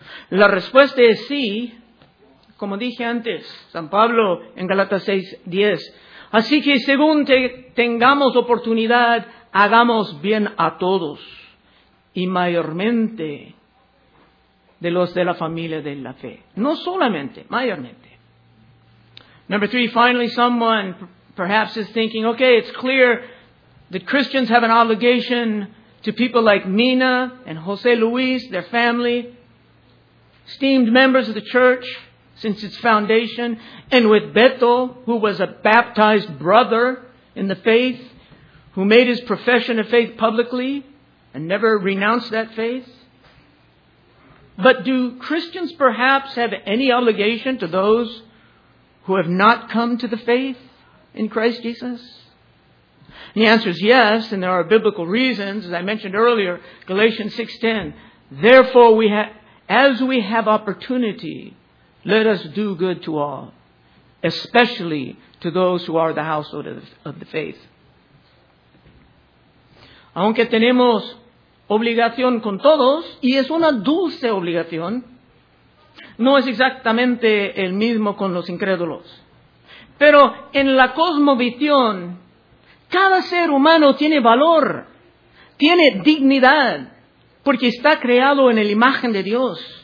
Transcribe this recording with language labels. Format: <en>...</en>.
<es>La respuesta es sí. Como dije antes, San Pablo en Gálatas 6:10. Así que según tengamos oportunidad, hagamos bien a todos, y mayormente de los de la familia de la fe. No solamente, mayormente.</es> <en>Number three, finally, someone perhaps is thinking, okay, it's clear that Christians have an obligation to people like Mina and José Luis, their family, esteemed members of the church since its foundation, and with Beto, who was a baptized brother in the faith, who made his profession of faith publicly and never renounced that faith. But do Christians perhaps have any obligation to those who have not come to the faith in Christ Jesus? And the answer is yes, and there are biblical reasons. As I mentioned earlier, Galatians 6:10. Therefore, as we have opportunity, let us do good to all, especially to those who are the household of the faith.</en> <es>Aunque tenemos obligación con todos, y es una dulce obligación, no es exactamente el mismo con los incrédulos. Pero en la cosmovisión, cada ser humano tiene valor, tiene dignidad, porque está creado en la imagen de Dios.</es>